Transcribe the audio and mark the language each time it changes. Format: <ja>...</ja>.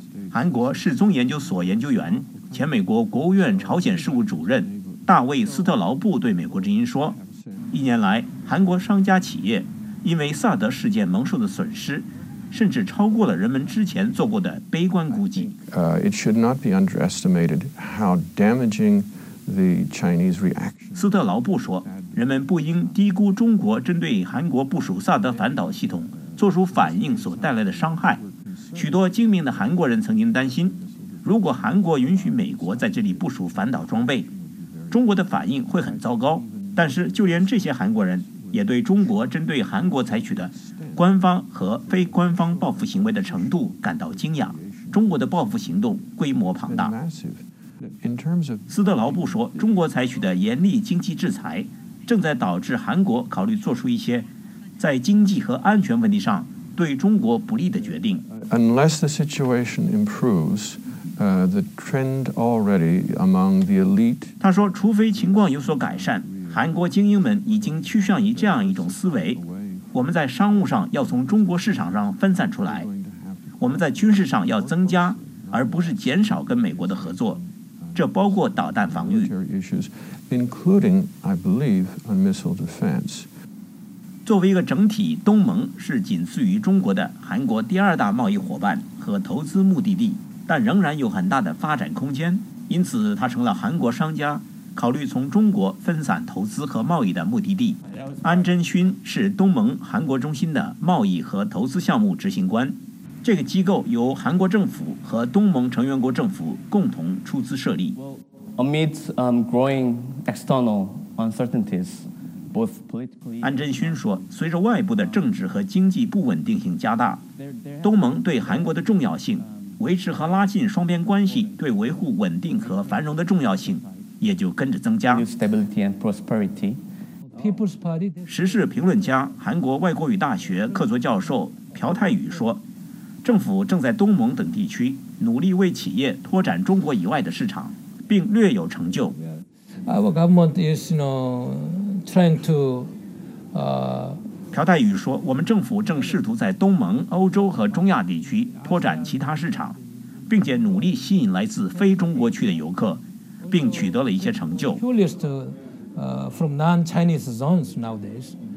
<zh>韩国世宗研究所研究员、前美国国务院朝鲜事务主任大卫·斯特劳布对美国之音说，一年来韩国商家企业因为萨德事件蒙受的损失甚至超过了人们之前做过的悲观估计。</zh> <en>It should not be underestimated how damaging the Chinese reaction.</en> <zh>斯特劳布说，人们不应低估中国针对韩国部署萨德反导系统做出反应所带来的伤害。许多精明的韩国人曾经担心，如果韩国允许美国在这里部署反导装备，中国的反应会很糟糕。但是就连这些韩国人也对中国针对韩国采取的官方和非官方报复行为的程度感到惊讶。中国的报复行动规模庞大。斯特劳布说，中国采取的严厉经济制裁正在导致韩国考虑做出一些在经济和安全问题上对中国不利的决定。</zh> <en>Unless the situation improves, the trend already among the elite.</en> <zh>他说，除非情况有所改善，韩国精英们已经趋向于这样一种思维：我们在商务上要从中国市场上分散出来，我们在军事上要增加而不是减少跟美国的合作，这包括导弹防御。</zh> <en>Including, I believe, on missile defense.</en> <zh>作为一个整体，东盟是仅次于中国的韩国第二大贸易伙伴和投资目的地，但仍然有很大的发展空间。因此，它成了韩国商家考虑从中国分散投资和贸易的目的地。安真勋是东盟韩国中心的贸易和投资项目执行官，这个机构由韩国政府和东盟成员国政府共同出资设立。</zh> <en>Amid growing external uncertainties, both politically,</en> <zh>安真勋说，随着外部的政治和经济不稳定性加大，东盟对韩国的重要性、维持和拉近双边关系对维护稳定和繁荣的重要性也就跟着增加。</zh> <en>Stability and prosperity.</en> <zh>时事评论家、韩国外国语大学客座教授朴泰宇说，政府正在东盟等地区努力为企业拓展中国以外的市场，并略有成就。</zh> <en>Our government is, you know, trying to,</en> <zh>朴泰宇说，我们政府正试图在东盟、欧洲和中亚地区拓展其他市场，并且努力吸引来自非中国区的游客，并取得了一些成就。</zh> <en>From non-Chinese zones nowadays.</en>